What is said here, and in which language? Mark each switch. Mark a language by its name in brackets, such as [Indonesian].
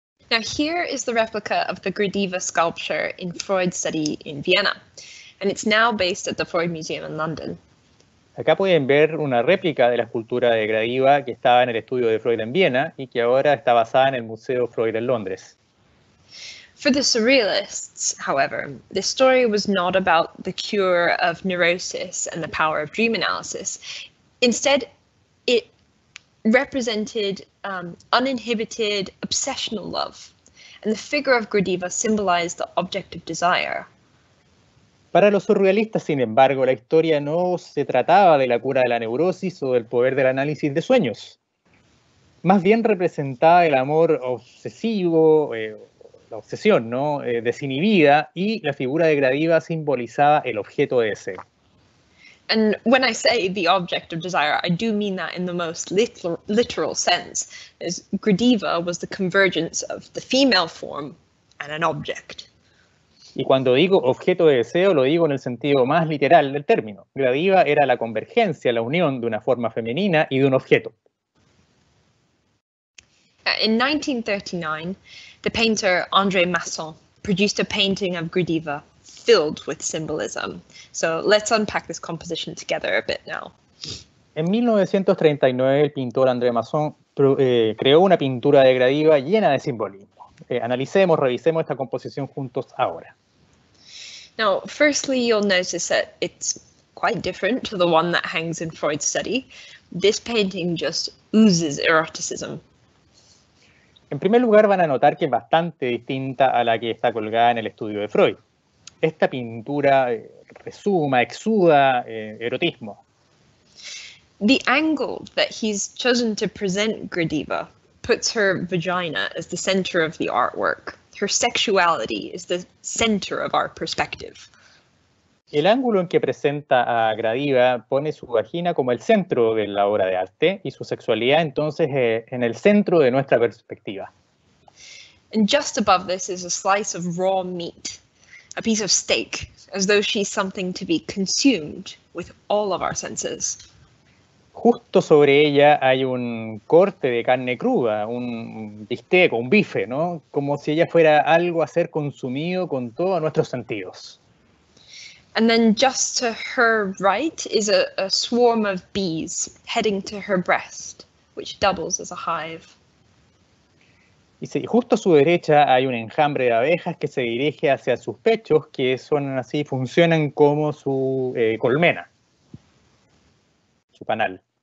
[English] Now here is the replica of the Gradiva sculpture in Freud's study in Vienna, and it's now based at the Freud Museum in London. [Spanish] Acá pueden ver una réplica de la escultura de Gradiva que estaba en el estudio de Freud en Viena y que ahora está basada en el Museo Freud en Londres. [English] For the surrealists, however, the story was not about the cure of neurosis and the power of dream analysis. Instead, it represented uninhibited obsessional love, and the figure of Gradiva symbolized the object of desire. [Spanish] Para los surrealistas, sin embargo, la historia no se trataba de la cura de la neurosis o del poder del análisis de sueños. Más bien representaba el amor obsesivo, la obsesión, ¿no? Desinhibida, y la figura de Gradiva simbolizaba el objeto de ese. [English] And when I say the object of desire, I do mean that in the most literal sense, as Gradiva was the convergence of the female form and an object. [Spanish] Y cuando digo objeto de deseo, lo digo en el sentido más literal del término. Gradiva era la convergencia, la unión de una forma femenina y de un objeto. [English] In 1939, the painter André Masson produced a painting of Gradiva filled with symbolism. So let's unpack this composition together a bit now. [Spanish] En 1939, el pintor André Masson creó una pintura de Gradiva llena de simbolismo. Analicemos, revisemos esta composición juntos ahora. [English] Now, firstly, you'll notice that it's quite different to the one that hangs in Freud's study. This painting just oozes eroticism. [Spanish] En primer lugar, van a notar que es bastante distinta a la que está colgada en el estudio de Freud. Esta pintura resuma, exuda erotismo. [English] The angle that he's chosen to present Gradiva puts her vagina as the center of the artwork. Her sexuality is the center of our perspective. [Spanish] El ángulo en que presenta a Gradiva pone su vagina como el centro de la obra de arte y su sexualidad entonces en el centro de nuestra perspectiva. [English] And just above this is a slice of raw meat, a piece of steak, as though she's something to be consumed with all of our senses. [Spanish] Justo sobre ella hay un corte de carne cruda, un bistec, un bife, ¿no? Como si ella fuera algo a ser consumido con todos nuestros sentidos. [English] And then just to her right is a swarm of bees heading to her breast, which doubles as a hive. [Spanish] Y sí, justo a su derecha hay un enjambre de abejas que se dirige hacia sus pechos, que son así, funcionan como su colmena, su panal.